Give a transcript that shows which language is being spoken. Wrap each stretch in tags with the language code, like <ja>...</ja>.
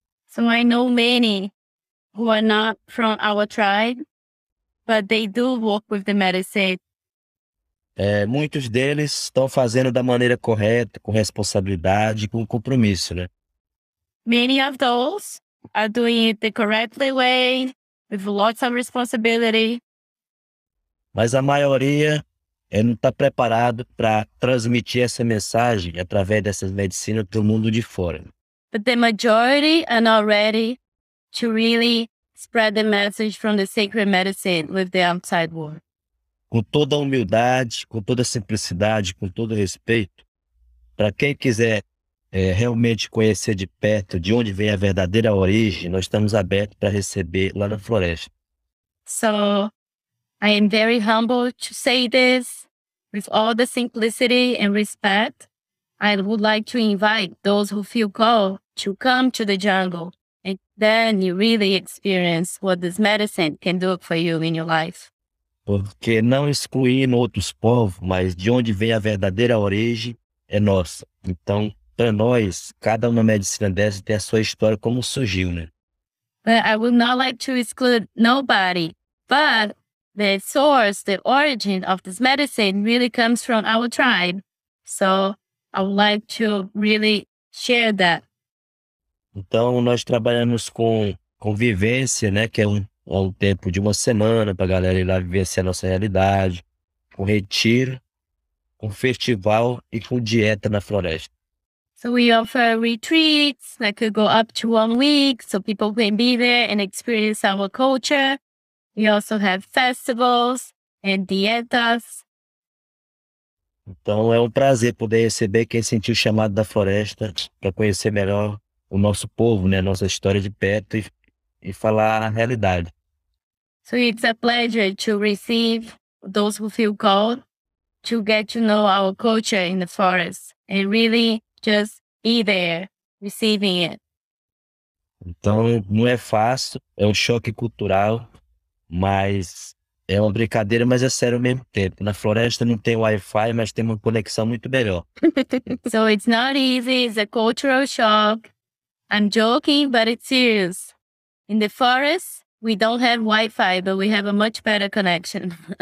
<en>So I know many who are not from our tribe, but they do work with the medicine.</en> <pt>Muitos deles estão fazendo da maneira correta, com responsabilidade e com compromisso, né?</pt> <en>Many of those are doing it the correct way, with lots of responsibility.</en> <pt>Mas a maioria não está preparado para transmitir essa mensagem através dessas medicinas para o mundo de fora.</pt> <en>But the majority are not ready to really spread the message from the sacred medicine with the outside world.</en> <pt>Com toda a humildade, com toda a simplicidade, com todo o respeito, para quem quiser realmente conhecer de perto de onde vem a verdadeira origem, nós estamos abertos para receber lá na floresta.</pt> <en>So, I am very humble to say this, with all the simplicity and respect, I would like to invite those who feel called to come to the jungle, and then you really experience what this medicine can do for you in your life.</en> <pt>Porque não excluindo outros povos, mas de onde vem a verdadeira origem é nossa. Então, para nós, cada uma medicina dessa tem a sua história como surgiu, né?</pt> <en>But But I would not like to exclude nobody. But the source, the origin of this medicine really comes from our tribe. So I would like to really share that.</en> <pt>Então, nós trabalhamos com convivência, né? Que é um tempo de uma semana para a galera ir lá vivenciar a nossa realidade. Com retiro, com festival e com dieta na floresta.</pt> <en>So we offer retreats that could go up to 1 week so people can be there and experience our culture. We also have festivals and dietas.</en> <pt>Então, é um prazer poder receber quem sentiu chamado da floresta para conhecer melhor o nosso povo, né, nossa história de perto e falar a realidade.</pt> <en>So it's a pleasure to receive those who feel called to get to know our culture in the forest and really just be there, receiving it.</en> <pt>Então, não é fácil, é um choque cultural, mas é uma brincadeira, mas é sério ao mesmo tempo. Na floresta não tem Wi-Fi, mas tem uma conexão muito melhor.</pt> <en>So it's not easy, it's a cultural shock. I'm joking, but it's serious. In the forest, we don't have Wi-Fi, but we have a much better connection.</en>